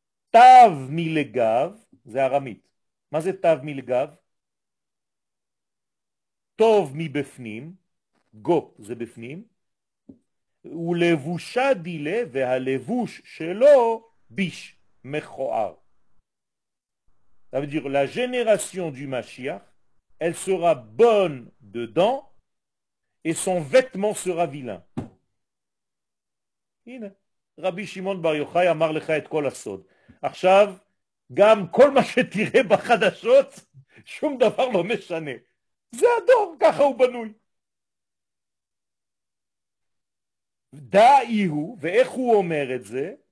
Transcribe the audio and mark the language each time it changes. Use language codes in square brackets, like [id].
[he] תו מלגב, זה ארמית. מה זה תו מלגב? טוב מבפנים, גו זה בפנים, ולבושה דילה, והלבוש שלו ביש, מכוער. זאת אומרת, [fr] la génération du Mashiach, elle sera bonne dedans, et son vêtement sera vilain. [he] הנה, רבי שמעון בר יוחאי אמר לך את כל הסוד. עכשיו, גם כל מה שתראה בחדשות, שום דבר לא משנה. זה הדור, ככה הוא בנוי. דאי הוא, ואיך הוא אומר את זה?